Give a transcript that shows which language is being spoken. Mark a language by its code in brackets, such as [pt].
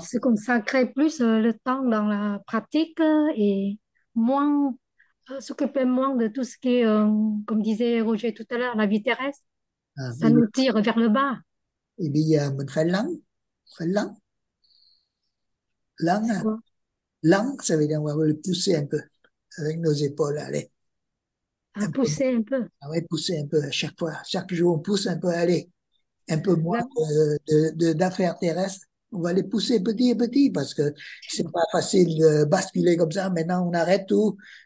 [fr] Se consacrer plus le temps dans la pratique et moins s'occuper moins de tout ce qui est, comme disait Roger tout à l'heure, la vie terrestre, ça nous tire vers le bas. [vi] Et bây giờ mình phải lắng, phải lắng. Lắng, hein? [fr] Lắng, ça veut dire on va le pousser un peu avec nos épaules, allez. À pousser un peu. Ah ouais, pousser un peu à chaque fois. Chaque jour, on pousse un peu, allez. Un peu moins d'affaires terrestres. On va les pousser petit à petit parce que c'est pas facile de basculer comme ça. Maintenant, on arrête tout.